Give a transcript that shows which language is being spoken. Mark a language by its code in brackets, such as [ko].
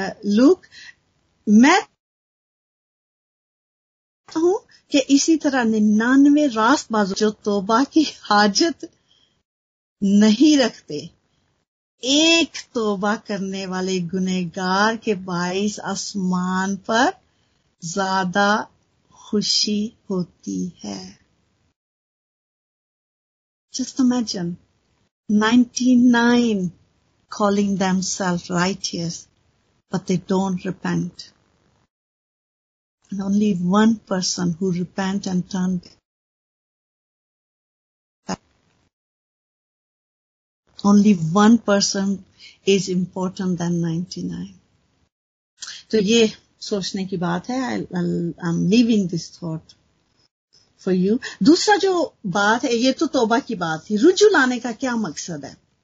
[ur] لوک, میں ہوں کہ اسی طرح 99 راست بازو جو توبہ کی حاجت نہیں رکھتے, ایک توبہ کرنے والے گنہگار کے 22 آسمان پر زیادہ خوشی ہوتی ہے. [en] Just imagine, 99 calling themselves righteous, but they don't repent. And only one person who repent and turn back. Only one person is important than 99. So, [ur] yeh sochne ki baat hai. [en] I'm leaving this thought. For you. [ur] دوسرا جو بات ہے, یہ تو توبہ کی بات تھی, رجوع لانے کا کیا مقصد ہے؟